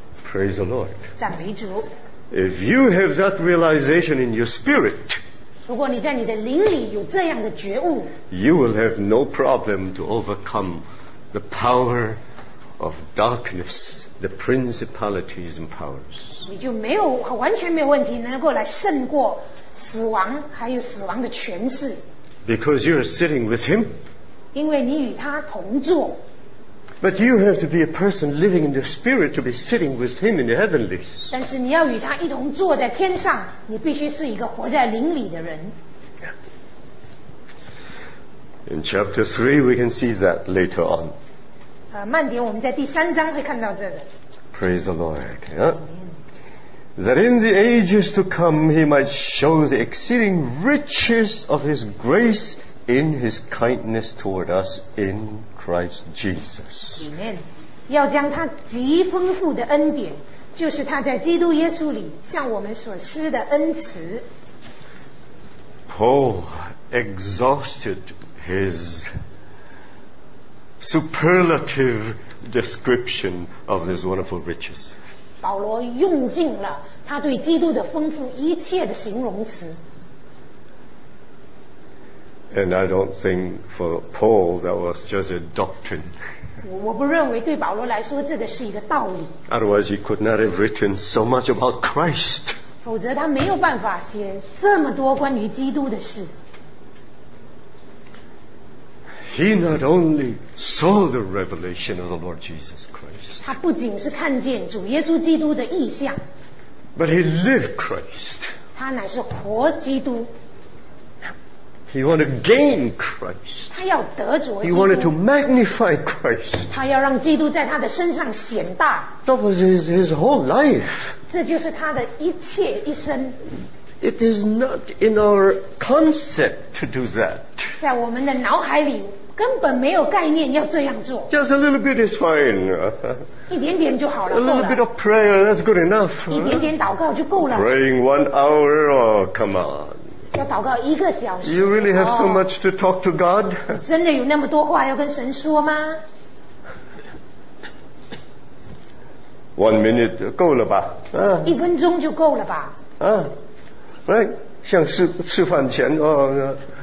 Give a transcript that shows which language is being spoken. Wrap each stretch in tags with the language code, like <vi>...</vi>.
<en>Praise the Lord.</en> <zh>赞美主。</zh> <en>If you have that realization in your spirit,</en> <zh>如果你在你的灵里有这样的觉悟,</zh> <en>you will have no problem to overcome the power of darkness, the principalities and powers.</en> <zh>你就没有完全没有问题能够来胜过死亡还有死亡的权势。</zh> <en>Because you are sitting with him.</en> <zh>因为你与他同坐。</zh> <en>But you have to be a person living in the spirit to be sitting with him in the heavenlies.</en> <zh>但是你要与他一同坐在天上，你必须是一个活在灵里的人。</zh> <en>In chapter 3, we can see that later on.</en> <zh>慢点，我们在第三章会看到这个。</zh> <en>Praise the Lord. Yeah. That in the ages to come he might show the exceeding riches of his grace in his kindness toward us in Christ Jesus. Amen.</en> <zh>要将他极丰富的恩典，就是他在基督耶稣里向我们所施的恩慈。</zh> <en>Paul exhausted his superlative description of this wonderful riches.</en> <zh>保罗用尽了他对基督的丰富一切的形容词。</zh> <en>And I don't think for Paul that was just a doctrine.</en> <zh>我不认为对保罗来说这个是一个道理。</zh> <en>Otherwise, he could not have written so much about Christ.</en> <zh>否则他没有办法写这么多关于基督的事。</zh> <en>He not only saw the revelation of the Lord Jesus Christ.</en> <zh>他不仅是看见主耶稣基督的异象。</zh> <en>But he lived Christ.</en> <zh>他乃是活基督。</zh> <en>He wanted to gain Christ.</en> <zh>他要得着基督。</zh> <en>He wanted to magnify Christ.</en> <zh>他要让基督在他的身上显大。</zh> <en>That was his whole life.</en> <zh>这就是他的一切一生。</zh> <en>It is not in our concept to do that.</en> <zh>在我们的脑海里根本没有概念要这样做。</zh> <en>Just a little bit is fine.</en> <zh>一点点就好了。</zh> <en>A little bit of prayer, that's good enough.</en> <zh>一点点祷告就够了。</zh> <en>Praying 1 hour, oh, come on.</en> <zh>要祷告一个小时。</zh> <en>You really have so much to talk to God?</en> <zh>真的有那么多话要跟神说吗？</zh> <en>1 minute,</en> <zh>够了吧。一分钟就够了吧。</zh> <en>Right,</en> <zh>像吃饭前哦。</zh>